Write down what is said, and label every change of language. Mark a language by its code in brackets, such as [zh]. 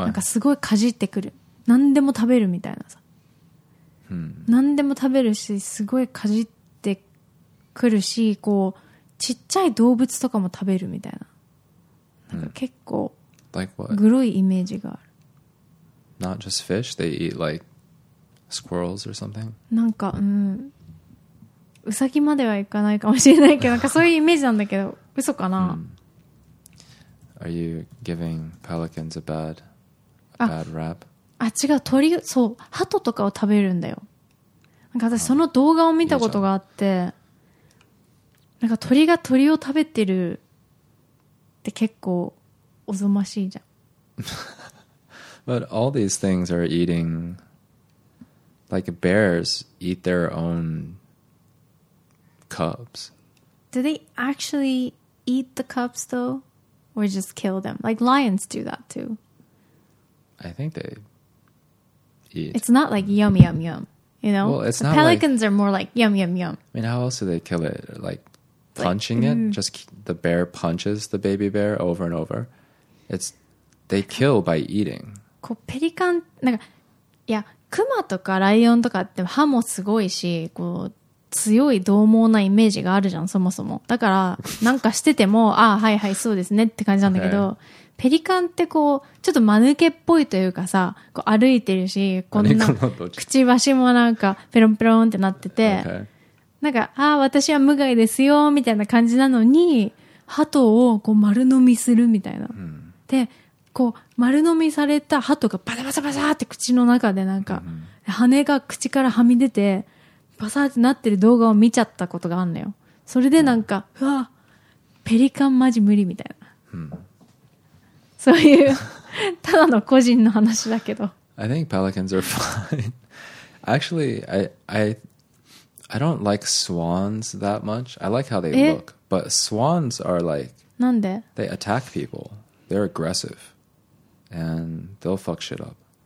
[ja] なんかすごいかじってくる。何でも食べるみたいなさ。 Mm. 何でも食べるし、すごいかじって来るし、こうちっちゃい動物とかも食べるみたいな、なんか結構グロいイメージがある。 [en] Not just fish, they eat like squirrels or something. [ja] なんかうさぎまではいかないかもしれないけど、なんかそういうイメージなんだけど、嘘かな。 [en] Are you giving pelicans a bad rap? [ja] あ、違う、鳥、そう、鳩とかを食べるんだよ。なんか私その動画を見たことがあって。なんか鳥が鳥を食べてるって結構おぞましいじゃん。 [en] But all these things are eating, like bears eat their own cubs. Do they actually eat the cubs though, or just kill them? Like lions do that too. I think they eat. It's not like yum yum yum, you know. Well, it's the not pelicans like, are more like yum yum yum. I mean, how else do they kill it? Like punching like, it? Mm. Just the bear punches the baby bear over and over. It's they kill by eating. [ja] こうペリカンなんかいやクマとかライオンとかって歯もすごいしこう強い獰猛なイメージがあるじゃんそもそもだからなんかしててもああはいはいそうですねって感じなんだけど、okay. ペリカンってこうちょっと間抜けっぽいというかさこう歩いてるしこんなくちばしもなんかペロンペロンってなってて、 [en] okay. [ja] なんかああ私は無害ですよみたいな感じなのに鳩をこう丸飲みするみたいな、 hmm. でこう丸飲みされた鳩がバサバサバサって口の中でなんか羽が口からはみ出てバサってなってる動画を見ちゃったことがあるのよそれでなんか、うん、うわペリカンマジ無理みたいな、うん、そういうただの個人の話だけど [en] I think pelicans are fine actually I don't like swans that much I like how they look but swans are like [ja] なんで? [en] They attack people they're aggressiveAnd they'll fuck shit up.